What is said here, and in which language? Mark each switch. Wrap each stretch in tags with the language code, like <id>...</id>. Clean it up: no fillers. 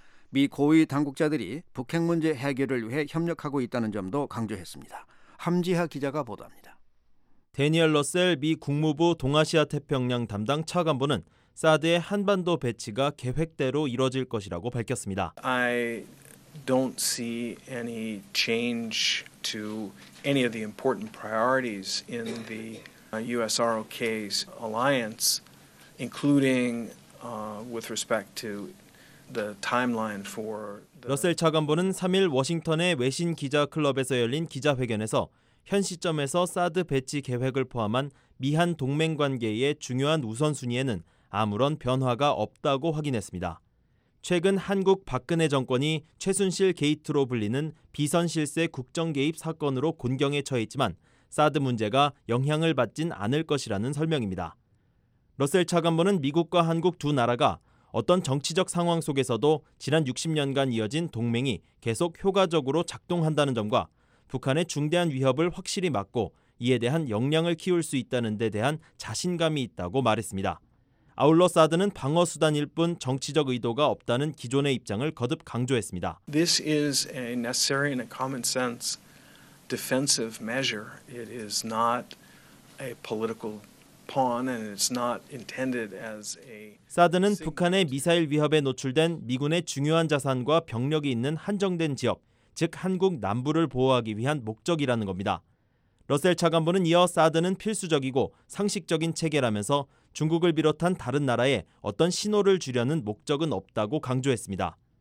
<ko>미 고위 당국자들이 북핵 문제 해결을 위해 협력하고 있다는 점도 강조했습니다. 함지하 기자가 보도합니다. 대니얼 러셀 미 국무부 동아시아태평양 담당 차관보는 사드의 한반도 배치가 계획대로 이뤄질 것이라고 밝혔습니다.</ko> <en>I don't see any change to any of the important priorities in the USROK's alliance, including with respect to the timeline for the...</en> <ko>러셀 차관보는 3일 워싱턴의 외신 기자 클럽에서 열린 기자회견에서 현 시점에서 사드 배치 계획을 포함한 미한 동맹 관계의 중요한 우선순위에는 아무런 변화가 없다고 확인했습니다. 최근 한국 박근혜 정권이 최순실 게이트로 불리는 비선실세 국정 개입 사건으로 곤경에 처해 있지만 사드 문제가 영향을 받진 않을 것이라는 설명입니다. 러셀 차관보는 미국과 한국 두 나라가 어떤 정치적 상황 속에서도 지난 60년간 이어진 동맹이 계속 효과적으로 작동한다는 점과 북한의 중대한 위협을 확실히 막고 이에 대한 역량을 키울 수 있다는 데 대한 자신감이 있다고 말했습니다. 아울러 사드는 방어수단일 뿐 정치적 의도가 없다는 기존의 입장을 거듭 강조했습니다.</ko> <en>This is a necessary and a common sense defensive measure. It is not a political pawn and it's not intended as a...</en> <ko>사드는 북한의 미사일 위협에 노출된 미군의 중요한 자산과 병력이 있는 한정된 지역, 즉 한국 남부를 보호하기 위한 목적이라는 겁니다. 러셀 차관보는 이어 사드는 필수적이고 상식적인 체계라면서 중국을 비롯한 다른 나라에 어떤 신호를 주려는 목적은 없다고 강조했습니다.</ko>